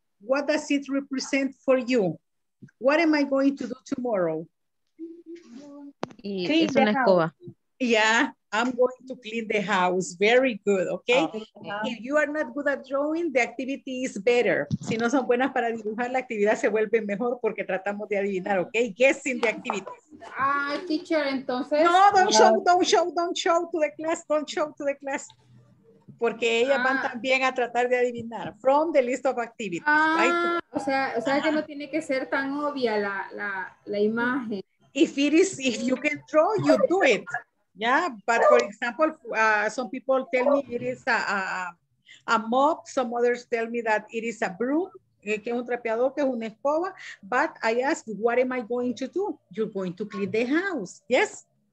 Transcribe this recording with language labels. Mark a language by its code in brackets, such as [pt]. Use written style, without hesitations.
[en] What does it represent for you? What am I going to do tomorrow? [es] clean es una escoba. [en] House. Yeah, I'm going to clean the house. Very good, okay? Okay? If you are not good at drawing, the activity is better. [es] Si no son buenas para dibujar, la actividad se vuelve mejor porque tratamos de adivinar, okay? [en] Guessing the activity. [es] Teacher, entonces... [en] No, don't show to the class, [es] Porque ellas van también a tratar de adivinar [en] from the list of activities. [es] O sea que no tiene que ser tan obvia la imagen. [en] If you can draw, you do it. Yeah, but for example, some people tell me it is a mop. Some others tell me that it is a broom, [es] que es un trapeador, que es una escoba. [en] But I ask, what am I going to do? You're going to clean the house. Yes?